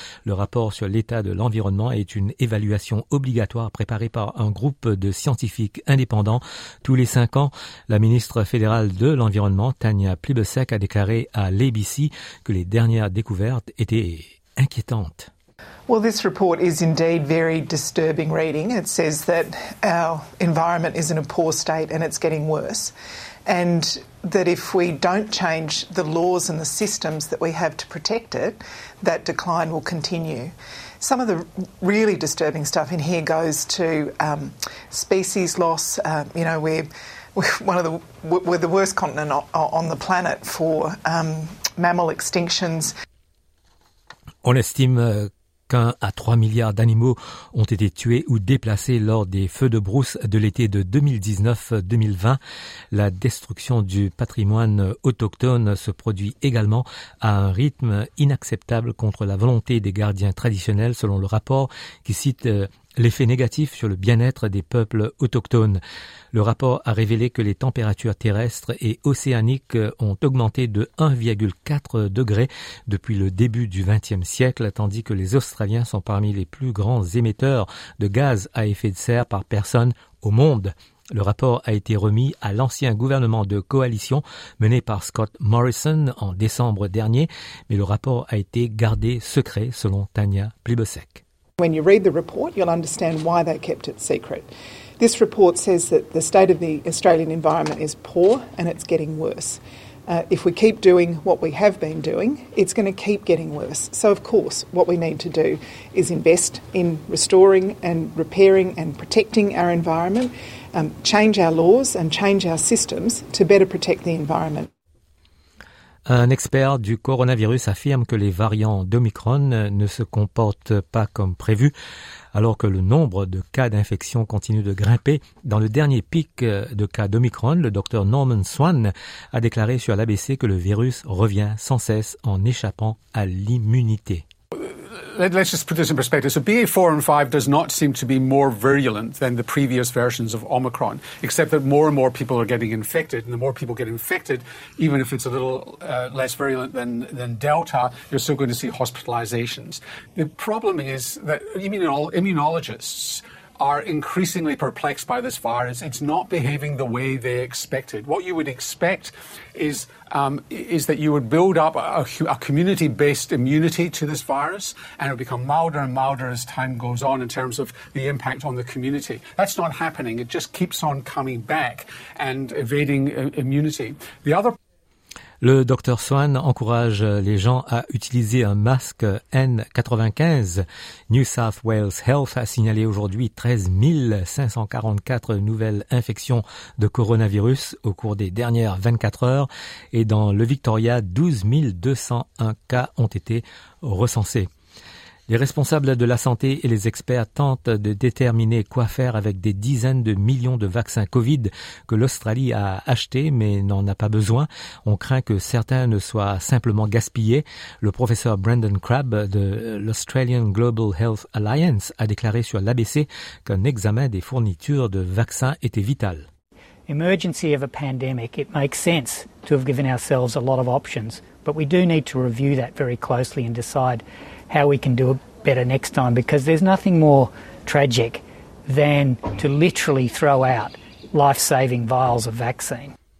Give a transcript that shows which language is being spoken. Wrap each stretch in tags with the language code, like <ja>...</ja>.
<fr>Le rapport sur l'état de l'environnement est une évaluation obligatoire préparée par un groupe de scientifiques indépendants. Tous les 5 ans, la ministre fédérale de l'Environnement, Tania Plibersek, a déclaré à l'ABC que les dernières découvertes étaient inquiétantes.</fr> <en>Well, this report is indeed very disturbing reading. It says that our environment is in a poor state and it's getting worse. And that if we don't change the laws and the systems that we have to protect it, that decline will continue. Some of the really disturbing stuff in here goes to species loss. We're the worst continent on the planet for mammal extinctions.</en> <fr>On estime 1 à 3 milliards d'animaux ont été tués ou déplacés lors des feux de brousse de l'été de 2019-2020. La destruction du patrimoine autochtone se produit également à un rythme inacceptable contre la volonté des gardiens traditionnels, selon le rapport qui cite l'effet négatif sur le bien-être des peuples autochtones. Le rapport a révélé que les températures terrestres et océaniques ont augmenté de 1,4 degrés depuis le début du XXe siècle, tandis que les Australiens sont parmi les plus grands émetteurs de gaz à effet de serre par personne au monde. Le rapport a été remis à l'ancien gouvernement de coalition mené par Scott Morrison en décembre dernier, mais le rapport a été gardé secret selon Tania Plibersek.</fr> <en>When you read the report, you'll understand why they kept it secret. This report says that the state of the Australian environment is poor and it's getting worse. If we keep doing what we have been doing, it's going to keep getting worse. So, of course, what we need to do is invest in restoring and repairing and protecting our environment, change our laws and change our systems to better protect the environment.</en> <fr>Un expert du coronavirus affirme que les variants d'Omicron ne se comportent pas comme prévu. Alors que le nombre de cas d'infection continue de grimper, dans le dernier pic de cas d'Omicron, le docteur Norman Swan a déclaré sur l'ABC que le virus revient sans cesse en échappant à l'immunité.</fr> <en>Let's just put this in perspective. So BA4 and 5 does not seem to be more virulent than the previous versions of Omicron, except that more and more people are getting infected. And the more people get infected, even if it's a little less virulent than Delta, you're still going to see hospitalizations. The problem is that immunologists are increasingly perplexed by this virus. It's not behaving the way they expected. What you would expect is that you would build up a community-based immunity to this virus, and it would become milder and milder as time goes on in terms of the impact on the community. That's not happening. It just keeps on coming back and evading immunity.</en> <fr>Le docteur Swan encourage les gens à utiliser un masque N95. New South Wales Health a signalé aujourd'hui 13 544 nouvelles infections de coronavirus au cours des dernières 24 heures. Et dans le Victoria, 12 201 cas ont été recensés. Les responsables de la santé et les experts tentent de déterminer quoi faire avec des dizaines de millions de vaccins Covid que l'Australie a achetés mais n'en a pas besoin. On craint que certains ne soient simplement gaspillés. Le professeur Brendan Crabb de l'Australian Global Health Alliance a déclaré sur l'ABC qu'un examen des fournitures de vaccins était vital.</fr> <en>Emergency of a pandemic, it makes sense to have given ourselves a lot of options, but we do need to review that very closely and decide how we can do it better next time, because there's nothing more tragic than to literally throw out life-saving vials of vaccine.</en>